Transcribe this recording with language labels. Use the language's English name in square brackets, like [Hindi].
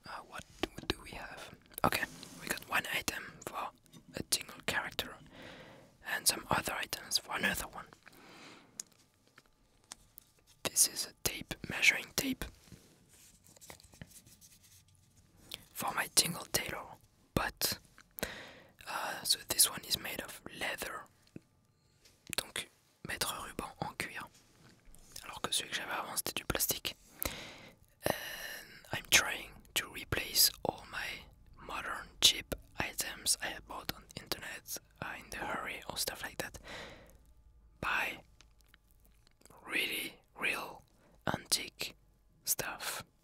[English] What do we have? Okay, we got one item for a Tingle character and some other items for another one. This is a tape, measuring tape for my Tingle tailor, but so this one is made of leather. [French] Donc mettre ruban en cuir. Alors que celui que j'avais avant c'était du plastique. [English] And I'm trying to replace all my modern cheap items I have bought on the internet in the hurry or stuff like that by really real antique stuff.